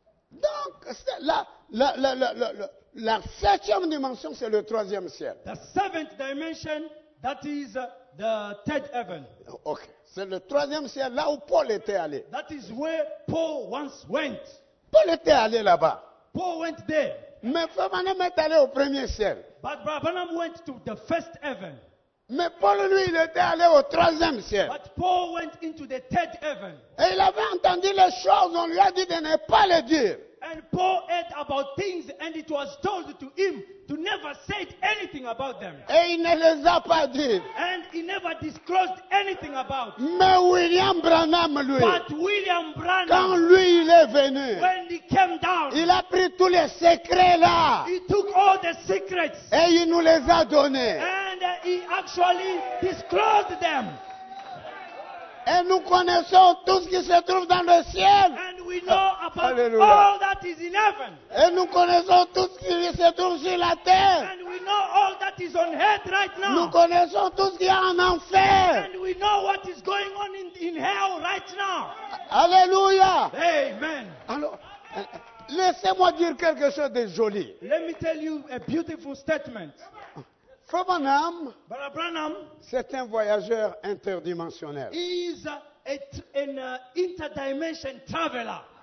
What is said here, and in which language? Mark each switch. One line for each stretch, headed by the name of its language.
French: Donc, la septième dimension, c'est le troisième ciel.
English: The seventh dimension, that is the third heaven. Ok.
French: C'est le troisième ciel, là où Paul était allé.
English: That is where Paul once went.
French: Paul était allé là-bas.
English: Paul went there.
French: Mais Frère Branham est allé au premier ciel.
English: But Branham went to the first heaven.
French: Mais Paul, lui, il était allé au troisième ciel.
English: But Paul went into the third heaven.
French: Et il avait entendu les choses, on lui a dit de ne pas les dire.
English: And Paul heard about things and it was told to him to never say anything about them.
French: Et il ne les a pas dit.
English: And he never disclosed anything about.
French: Mais William Branham, lui.
English: But William Branham.
French: Quand lui il est venu.
English: When he came down.
French: Il a pris tous les secrets là.
English: He took all the secrets.
French: Et il nous les a donnés.
English: And he actually disclosed them.
French: Et nous connaissons tout ce qui se trouve dans le ciel.
English: And we know about all that is in heaven.
French: Et nous connaissons tout ce qui se trouve sur la terre.
English: And we know all that is on earth right now.
French: Nous connaissons tout ce qu'il y a en enfer.
English: And we know what is going on in hell right now. Alléluia. Amen.
French: Alors, laissez-moi dire quelque chose de joli.
English: Let me tell you a beautiful statement.
French: Abraham,
English: Abraham,
French: c'est un voyageur interdimensionnel.
English: Is an interdimension traveler.